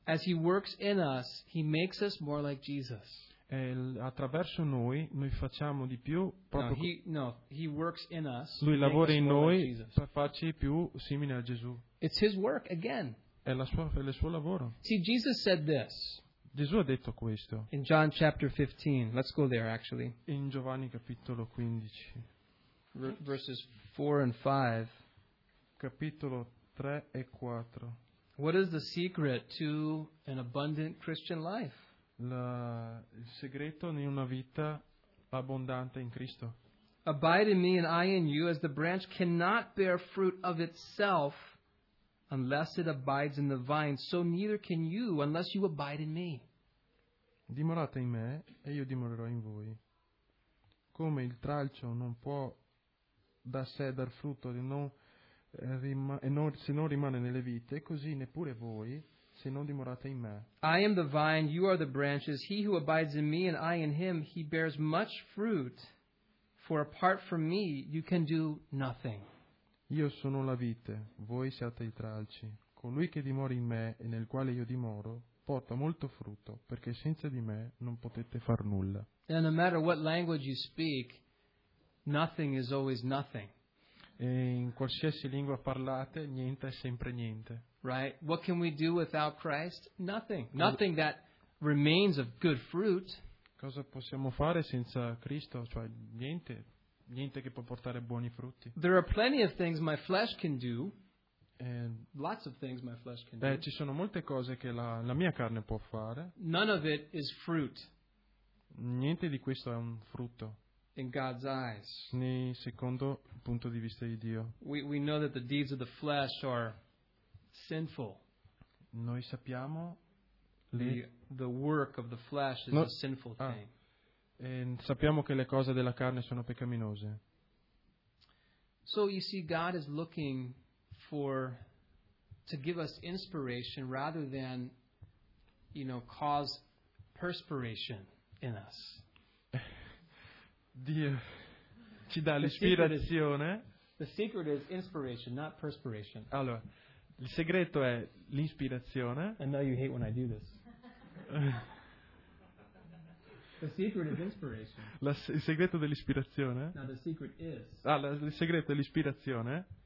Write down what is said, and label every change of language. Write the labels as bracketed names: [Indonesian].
[English] As he works in us, he makes us more like Jesus. [Italian] Attraverso noi facciamo di più proprio [English] he works in us, [Italian] lui lavora in noi like per farci più simili a Gesù. [English] It's his work again. [Italian] È il suo lavoro. [English] See, Jesus said this. [Italian] Gesù ha detto questo. [English] In John chapter 15. Let's go there actually. [Italian] In Giovanni capitolo 15. [English] Verses 4 and 5. [Italian] Capitolo 3 e 4. [English] What is the secret to an abundant Christian life? [Italian] Il segreto di una vita abbondante in Cristo. [English] Abide in me and I in you, as the branch cannot bear fruit of itself unless it abides in the vine, so neither can you unless you abide in me. [Italian] Dimorate in me e io dimorerò in voi. Come il tralcio non può da sé dar frutto se non rimane nelle vite, così neppure voi se non dimorate in me. [English] I am the vine, you are the branches. He who abides in me and I in him, he bears much fruit. For apart from me, you can do nothing. [Italian] Io sono la vite, voi siete i tralci. Colui che dimora in me e nel quale io dimoro, porta molto frutto, perché senza di me non potete far nulla. [English] And no matter what language you speak, nothing is always nothing. [Italian] E in qualsiasi lingua parlate, niente è sempre niente. [English] Right? What can we do without Christ? Nothing. Nothing that remains of good fruit. [Italian] Cosa possiamo fare senza Cristo? Cioè niente, niente che può portare buoni frutti. [English] There are plenty of things my flesh can do. Lots of things my flesh can do. [Italian] Ci sono molte cose che la mia carne può fare. [English] None of it is fruit. [Italian] Niente di questo è un frutto. [English] In God's eyes. [Italian] Nel secondo punto di vista di Dio. [English] We know that the deeds of the flesh are sinful. [Italian] Noi sappiamo [English] the work of the flesh is a sinful thing. [Italian] E sappiamo che le cose della carne sono peccaminose. [English] So you see, God is looking to give us inspiration rather than, you know, cause perspiration in us. [Italian] Dio ci dà l'ispirazione. [English] The secret is inspiration, not perspiration. [Italian] Allora, il segreto è l'ispirazione. [English] I know you hate when I do this. The secret is inspiration. [Italian] Il segreto dell'ispirazione. [English] Now the secret is. [Italian] Il segreto è l'ispirazione.